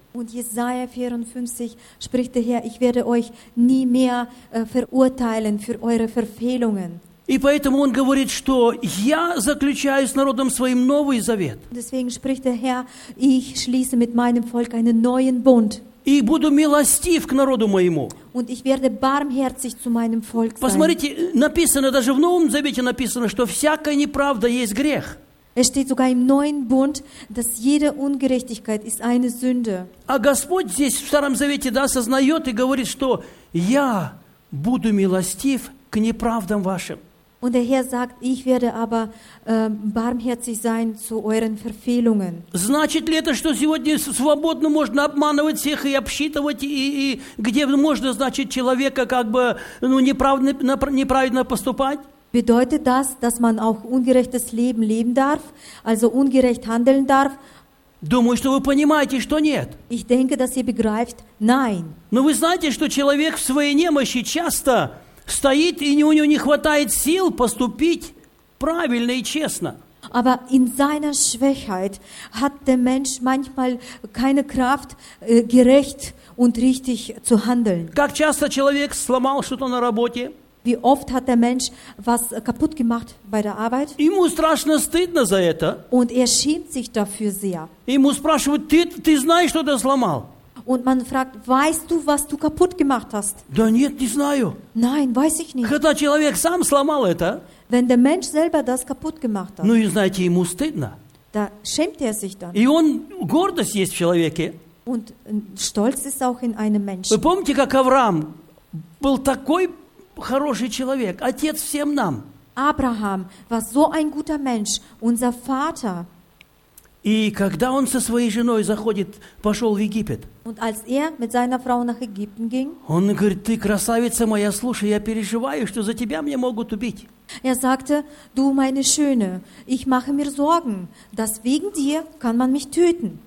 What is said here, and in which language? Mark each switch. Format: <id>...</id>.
<de>Und Jesaja 54 spricht der Herr, ich werde euch nie mehr verurteilen für eure Verfehlungen.</de> <ru>И поэтому он говорит, что я заключаю с народом своим новый завет.</ru> <de>Deswegen spricht der Herr, ich schließe mit meinem Volk einen neuen Bund.</de> <ru>И буду милостив к народу моему.</ru> <de>Und ich werde barmherzig zu meinem Volk sein.</de> <ru>Посмотрите, написано, даже в Новом Завете написано, что всякая неправда есть грех.</ru> <de>Es steht sogar im Neuen Bund, dass jede Ungerechtigkeit ist eine Sünde.</de> <ru>А Господь здесь в Старом Завете, да, сознает и говорит, что я буду милостив к неправдам вашим.</ru> <de>Und der Herr sagt, ich werde aber barmherzig sein zu euren Verfehlungen.</de> <ru>Значит ли это, что сегодня свободно можно обманывать всех и обсчитывать, и где можно, значит, человека как бы неправильно поступать?</ru> <de>Bedeutet das, dass man auch ungerechtes Leben leben darf, also ungerecht handeln darf?</de> <ru>Думаю, что вы понимаете, что нет.</ru> <de>Ich denke, dass ihr begreift, nein.</de> <ru>Но вы знаете, что человек в своей немощи часто стоит, и у него не хватает сил поступить правильно и честно.</ru> <de>Aber in seiner Schwächheit hat der Mensch manchmal keine Kraft, gerecht und richtig zu handeln.</de> <ru>Как часто человек сломал что-то на работе?</ru> <de>Wie oft hat der Mensch was kaputt gemacht bei der Arbeit?</de> <ru>Ему страшно стыдно за это.</ru> <de>Und er schämt sich dafür sehr.</de> <ru>Ему спрашивают, ты знаешь, что ты сломал?</ru> <de>Und man fragt, weißt du, was du kaputt gemacht hast?</de> <ru>Да нет, не знаю.</ru> <de>Nein, weiß ich nicht.</de> <ru>Когда человек сам сломал это,</ru> <de>wenn der Mensch selber das kaputt gemacht hat,</de> <ru>ну, знаете, ему стыдно.</ru> <de>Da schämt er sich dann.</de> <ru>И он, гордость есть в человеке.</ru> <de>Und stolz ist auch in einem Menschen.</de> <ru>Вы помните, как Авраам был такой хороший человек, отец всем нам.</ru> <de>Abraham war so ein guter Mensch, unser Vater.</de> <ru>И когда он со своей женой заходит, пошел в Египет,</ru> <de>und als er mit seiner Frau nach Ägypten ging,</de> <ru>он говорит, ты красавица моя, слушай, я переживаю, что за тебя мне могут убить.</ru> <de>Er sagte, du meine Schöne, ich mache mir Sorgen, dass wegen dir kann man mich töten.</de>